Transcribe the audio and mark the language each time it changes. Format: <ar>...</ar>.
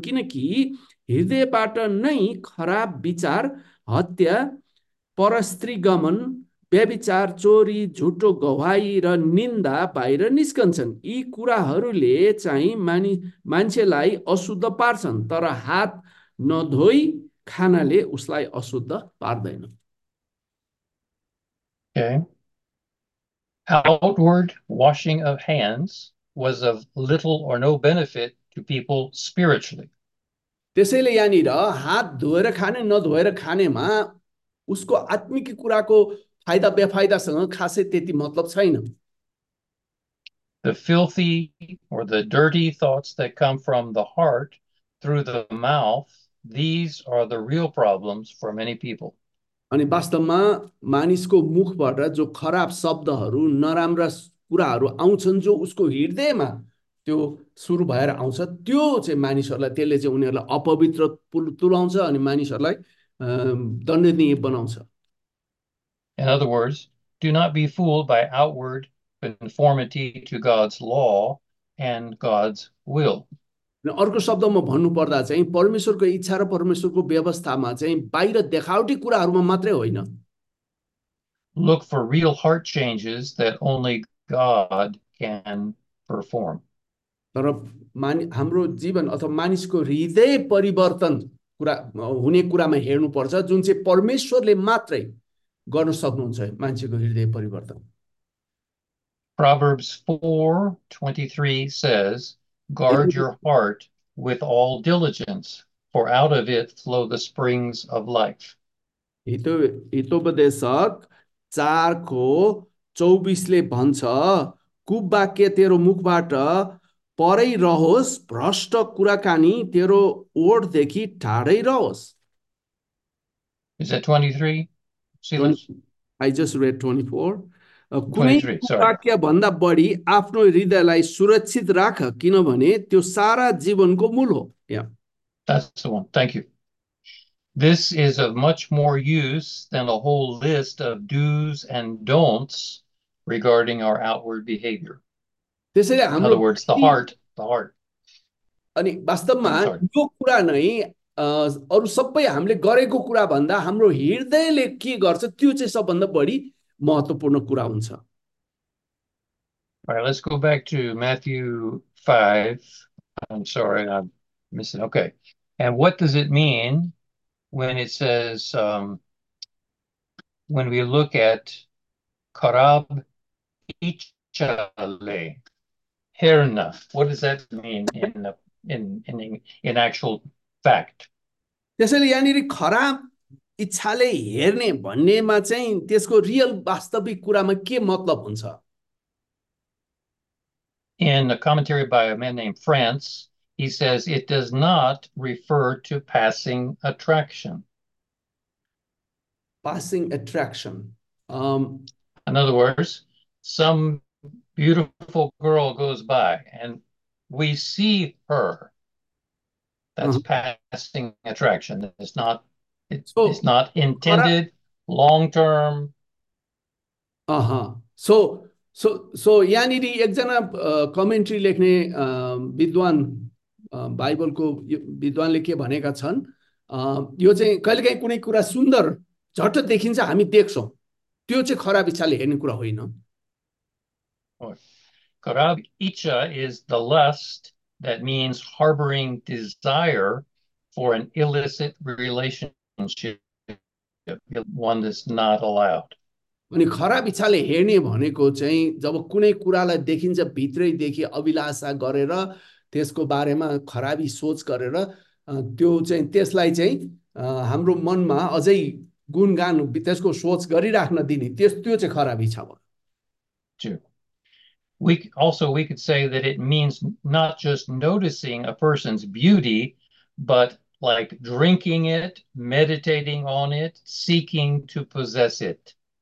<ne>किनकि हृदयबाट नै खराब विचार, हत्या, परस्त्रीगमन, व्यभिचार, चोरी, झुटो गवाही र निन्दा बाहिर निस्कन्छन्। यी कुराहरूले चाहिँ मान्छेलाई अशुद्ध पार्छन्, तर हात नधोई खानाले उसलाई अशुद्ध पार्दैन।</ne> <en>Outward washing of hands was of little or no benefit to people spiritually.</en> <ne>त्यसैले यहाँनिर हात धोएर खाने नधोएर खानेमा उसको आत्मिक कुराको फाइदा बेफाइदासँग खासै त्यति मतलब छैन।</ne> <en>The filthy or the dirty thoughts that come from the heart through the mouth, these are the real problems for many people.</en> <ne>अनि वास्तवमा मानिसको मुखबाट जो खराब शब्दहरू, नराम्रा कुराहरू आउँछन्, जो उसको हृदयमा त्यो सुरु भएर आउँछ, त्यो चाहिँ मानिसहरूलाई, त्यसले चाहिँ उनीहरूलाई अपवित्र तुलाउँछ अनि मानिसहरूलाई दण्डनीय बनाउँछ।</ne> <en>In other words, do not be fooled by outward conformity to God's law and God's will.</en> <ne>अर्को शब्दमा भन्नुपर्दा चाहिँ परमेश्वरको इच्छा र परमेश्वरको व्यवस्थामा चाहिँ बाहिर देखावटी कुराहरूमा मात्रै होइन।</ne> <en>Look for real heart changes that only God can perform.</en> <ne>तर हाम्रो जीवन अथवा मानिसको हृदय परिवर्तन कुरा हुने कुरामा हेर्नुपर्छ, जुन चाहिँ परमेश्वरले मात्रै गर्न सक्नुहुन्छ मान्छेको हृदय परिवर्तन।</ne> <en>Proverbs 4:23 says, "Guard your heart with all diligence, for out of it flow the springs of life."</en> <ne>हितोपदेशक 4:24 भन्छ, कुवाक्य तेरो मुखबाट परै रहोस्, भ्रष्ट कुराकानी तेरो ओठदेखि टाढै रहोस्।</ne> <en>Is that 23? I just read 24.</en> <ne>कुनै वाक्य भन्दा बढी आफ्नो हृदयलाई सुरक्षित राख, किनभने त्यो सारा जीवनको मूल हो।</ne> <en>That's the one. Thank you. This is of much more use than a whole list of do's and don'ts regarding our outward behavior.</en> <ne>त्यसैले</ne> <en>In other words, the heart.</en> <ne>अनि वास्तवमा यो कुरा नै अरू सबै हामीले गरेको कुरा भन्दा हाम्रो हृदयले के गर्छ त्यो चाहिँ सबभन्दा बढी महत्त्वपूर्ण कुरा हुन्छ।</ne> <en>All right, let's go back to Matthew 5. I'm sorry, I'm missing. Okay. And what does it mean when it says, when we look at</en> <ne>karab ichale, herna,</ne> <en>what does that mean in actual fact?</en> <ne>त्यसैले यहाँनिर खराब इच्छाले हेर्ने भन्नेमा चाहिँ त्यसको real वास्तविक कुरामा के मतलब हुन्छ?</ne> <en>In a commentary by a man named France, he says it does not refer to passing attraction. Passing attraction. In other words, some beautiful girl goes by and we see her. That's passing attraction. It's not intended long-term.</en> <ne>So यहाँनिरी एकजना commentary लेख्ने विद्वान बाइबलको विद्वानले के भनेका छन्, यो चाहिँ कहिलेकाहीँ कुनै कुरा सुन्दर झट्ट देखिन्छ, हामी देख्छौँ, त्यो चाहिँ खराब इच्छाले हेर्ने कुरा होइन। Karab Icha</ne> <en>is the lust that means harboring desire for an illicit relationship, one that's not allowed.</en> <ne>अनि खराब इच्छाले हेर्ने भनेको चाहिँ जब कुनै कुरालाई देखिन्छ भित्रैदेखि अभिलाषा गरेर त्यसको बारेमा खराबी सोच गरेर त्यो चाहिँ त्यसलाई चाहिँ हाम्रो मनमा अझै गुणगान त्यसको सोच गरिराख्न दिने त्यो चाहिँ खराब इच्छा भयो।</ne> <en>We could say that it means not just noticing a person's beauty, but like drinking it, meditating on it, seeking to possess it.</en>